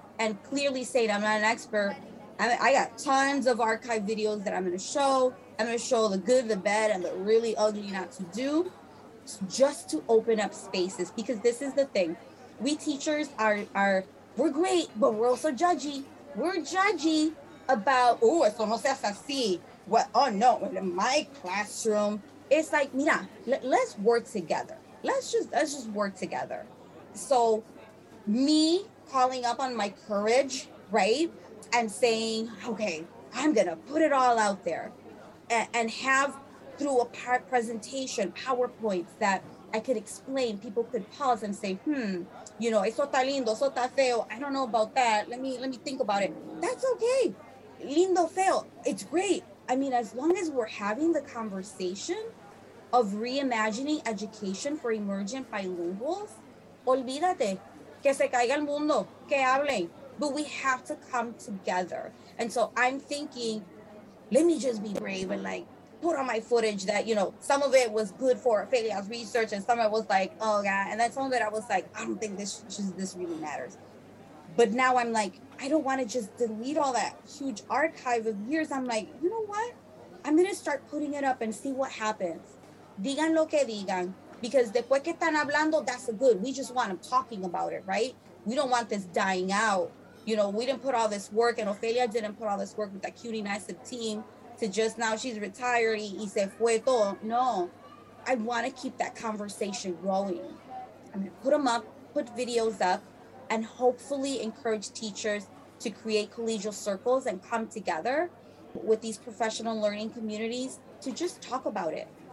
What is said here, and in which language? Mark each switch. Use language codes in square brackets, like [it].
[en] And clearly saying I'm not an expert. I got tons of archive videos that I'm gonna show. I'm gonna show the good, the bad, and the really ugly not to do, just to open up spaces. Because this is the thing. We teachers are we're great, but we're also judgy. We're judgy about, oh, [es] eso no se hace así. [en] What, oh no, in my classroom. It's like, [es] mira, [en] let's work together. Let's just work together. So me calling up on my courage, right? And saying, okay, I'm gonna put it all out there and have through a presentation, PowerPoints that I could explain, people could pause and say, you know, [es] eso está lindo, eso está feo. [en] I don't know about that. Let me think about it. That's okay. [es] Lindo, feo, [en] it's great. I mean, as long as we're having the conversation of reimagining education for emergent bilinguals, [es] olvídate. Que se caiga el mundo, que hablen. [en] But we have to come together. And so I'm thinking, let me just be brave and like put on my footage that, you know, some of it was good for Ophelia's research and some of it was like, oh God. And then some of it I was like, I don't think this really matters. But now I'm like, I don't want to just delete all that huge archive of years. I'm like, you know what? I'm going to start putting it up and see what happens. [es] Digan lo que digan. [en] Because [es] después que están hablando, [en] that's a good. We just want them talking about it, right? We don't want this dying out. You know, we didn't put all this work, and Ophelia didn't put all this work with that cutie nice team to just now she's retired [es] y se fue todo. [en] No, I want to keep that conversation going. I'm going to put them up, put videos up, and hopefully encourage teachers to create collegial circles and come together with these professional learning communities to just talk about it.